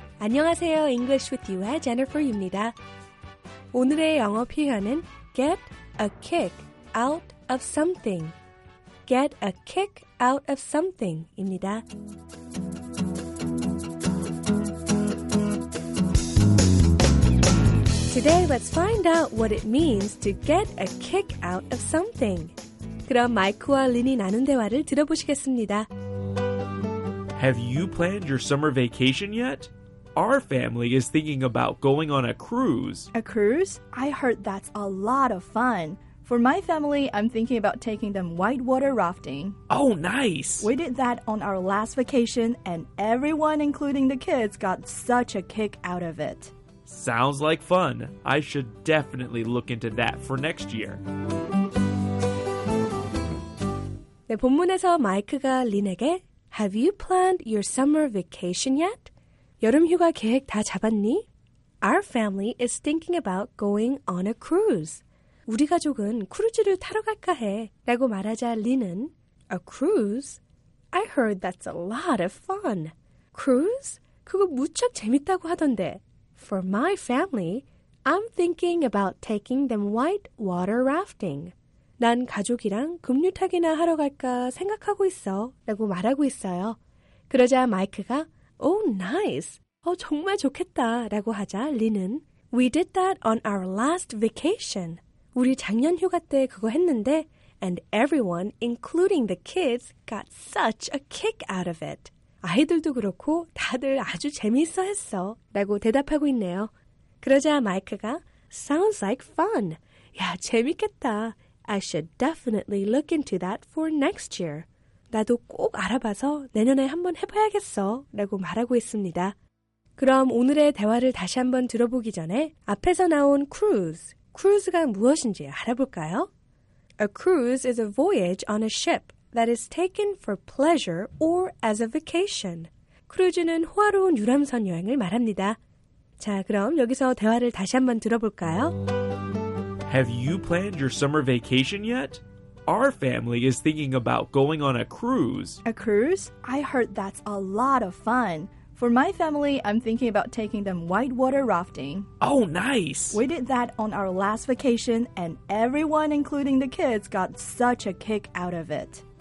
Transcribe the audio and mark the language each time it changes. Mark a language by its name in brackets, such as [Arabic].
[Korean] 안녕하세요, [English] English with you의 Jennifer입니다. [Korean] 오늘의 영어 표현은 [English] get a kick out of something. Get a kick out of something입니다. [Korean] 오늘 [English] let's find out what it means to get a kick out of something. [Korean] 그럼 마이크와 린이 나눈 대화를 들어보시겠습니다. [English] Have you planned your summer vacation yet? Our family is thinking about going on a cruise. A cruise? I heard that's a lot of fun. For my family, I'm thinking about taking them whitewater rafting. Oh, nice! We did that on our last vacation, and everyone, including the kids, got such a kick out of it. Sounds like fun. I should definitely look into that for next year. [Korean] 네, 본문에서 마이크가 린에게 [English] Have you planned your summer vacation yet? [Korean] 여름 휴가 계획 다 잡았니? [English] Our family is thinking about going on a cruise. [Korean] 우리 가족은 크루즈를 타러 갈까 해. 라고 말하자 린은 [English] A cruise? I heard that's a lot of fun. Cruise? [Korean] 그거 무척 재밌다고 하던데. [English] For my family, I'm thinking about taking them white water rafting. [Korean] 난 가족이랑 급류타기나 하러 갈까 생각하고 있어 라고 말하고 있어요. 그러자 마이크가 [English] Oh, nice! [Korean] 정말 좋겠다 라고 하자 린은 [English] We did that on our last vacation. [Korean] 우리 작년 휴가 때 그거 했는데 [English] And everyone, including the kids, got such a kick out of it. [Korean] 아이들도 그렇고 다들 아주 재미있어 했어 라고 대답하고 있네요. 그러자 마이크가 [English] Sounds like fun. [Korean] 야, 재밌겠다. [English] I should definitely look into that for next year. [Korean] 나도 꼭 알아봐서 내년에 한번 해봐야겠어 라고 말하고 있습니다. 그럼 오늘의 대화를 다시 한번 들어보기 전에 앞에서 나온 cruise, cruise가 무엇인지 알아볼까요? [English] A cruise is a voyage on a ship that is taken for pleasure or as a vacation. [Korean] 크루즈는 호화로운 유람선 여행을 말합니다. 자, 그럼 여기서 대화를 다시 한번 들어볼까요? [English] Have you planned your summer vacation yet? Our family is thinking about going on a cruise. A cruise? I heard that's a lot of fun. For my family, I'm thinking about taking them whitewater rafting. Oh, nice! We did that on our last vacation, and everyone, including the kids, got such a kick out of it.